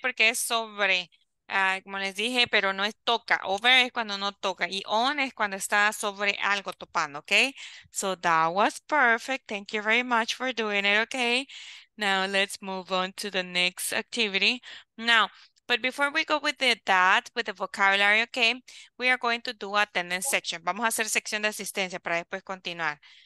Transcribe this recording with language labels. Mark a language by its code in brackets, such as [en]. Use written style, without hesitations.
[es] Porque es sobre, como les dije, pero no es toca. Over es cuando no toca. Y on es cuando está sobre algo topando, okay? [en] So that was perfect. Thank you very much for doing it, okay? Now let's move on to the next activity. Now, but before we go with the vocabulary, okay, we are going to do attendance section. [es] Vamos a hacer sección de asistencia para después continuar.